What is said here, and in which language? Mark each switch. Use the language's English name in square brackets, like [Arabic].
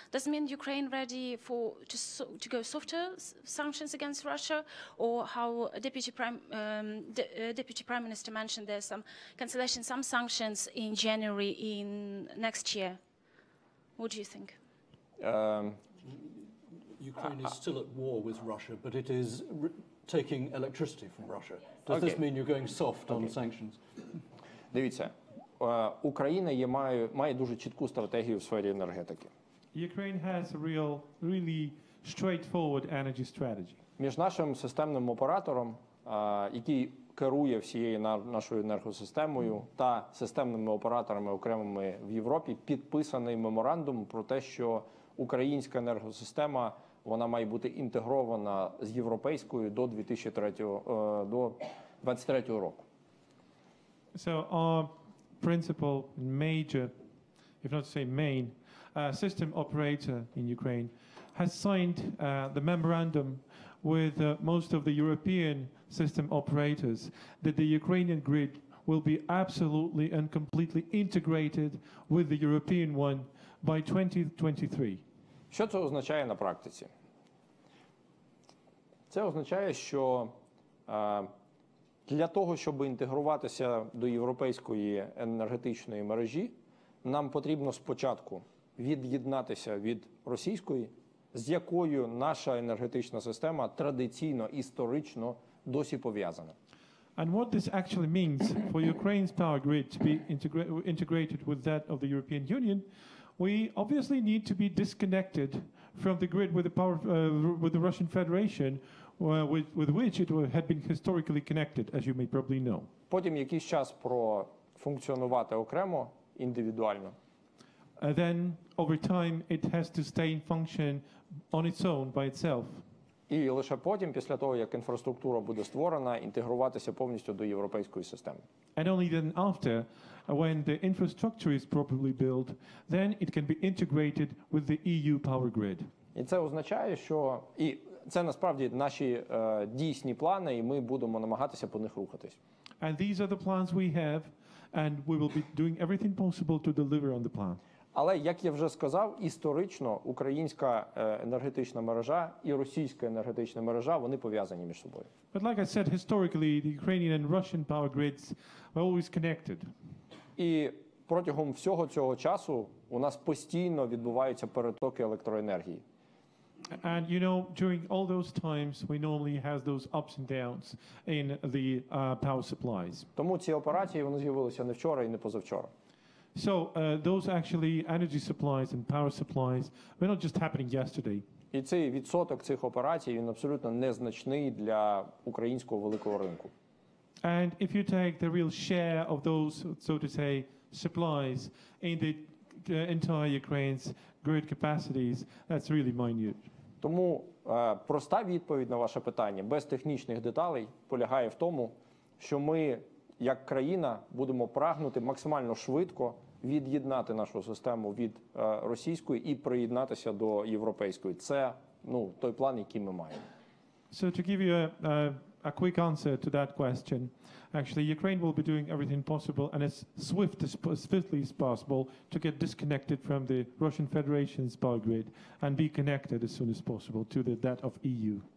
[English] Does it mean Ukraine ready for to go softer sanctions against Russia, or how Deputy Prime Minister mentioned there's some cancellation, some sanctions in January in next year? What do you think? Ukraine is still at war with Russia, but it is taking electricity from Russia. Does this mean you're going soft on sanctions? [Ukrainian] Дивіться, Україна має дуже чітку стратегію в сфері енергетики. [English] Ukraine has a really straightforward energy strategy. [Ukrainian] Між нашим системним оператором, який керує всією нашою енергосистемою, та системними операторами окремими в Європі, підписаний меморандум про те, що українська енергосистема вона має бути інтегрована з європейською до 2023 року. [English] So our principal major, if not to say main, system operator in Ukraine has signed the memorandum with most of the European system operators that the Ukrainian grid will be absolutely and completely integrated with the European one by 2023. [Ukrainian] Що це означає на практиці? Це означає, що для того, щоб інтегруватися до європейської енергетичної мережі, нам потрібно спочатку від'єднатися від російської, з якою наша енергетична система традиційно, історично досі пов'язана. [English] And what this actually means for Ukraine's power grid to be integrated with that of the European Union, we obviously need to be disconnected from the grid with the power with the Russian Federation. With which it had been historically connected, as you may probably know. [Ukrainian] Потім якийсь час профункціонувати окремо, індивідуально. [English] Then, over time, it has to stay in function on its own, by itself. [Ukrainian] І лише потім, після того, як інфраструктура буде створена, інтегруватися повністю до європейської системи. [English] And only then after, when the infrastructure is properly built, then it can be integrated with the EU power grid. [Ukrainian] І це означає, що... І це насправді наші дійсні плани, і ми будемо намагатися по них рухатись. [English] And these are the plans we have, and we will be doing everything possible to deliver on the plan. [Ukrainian] Але, як я вже сказав, історично українська енергетична мережа і російська енергетична мережа, вони пов'язані між собою. [English] But like I said, historically, the Ukrainian and Russian power grids are always connected. [Ukrainian] І протягом всього цього часу у нас постійно відбуваються перетоки електроенергії. [English] And you know, during all those times, we normally have those ups and downs in the power supplies. [Ukrainian] Тому ці операції вони з'явилися не вчора і не позавчора. [English] So those actually energy supplies and power supplies were not just happening yesterday. [Ukrainian] І цей відсоток цих операцій він абсолютно незначний для українського великого ринку. [English] And if you take the real share of those, so to say, supplies in the entire Ukraine's grid capacities, that's really minute. [Ukrainian] Тому проста відповідь на ваше питання, без технічних деталей, полягає в тому, що ми, як країна, будемо прагнути максимально швидко від'єднати нашу систему від російської і приєднатися до європейської. Це, ну, той план, який ми маємо. [English] So to give you a quick answer to that question, actually, Ukraine will be doing everything possible and as swiftly as possible to get disconnected from the Russian Federation's power grid and be connected as soon as possible to that of EU.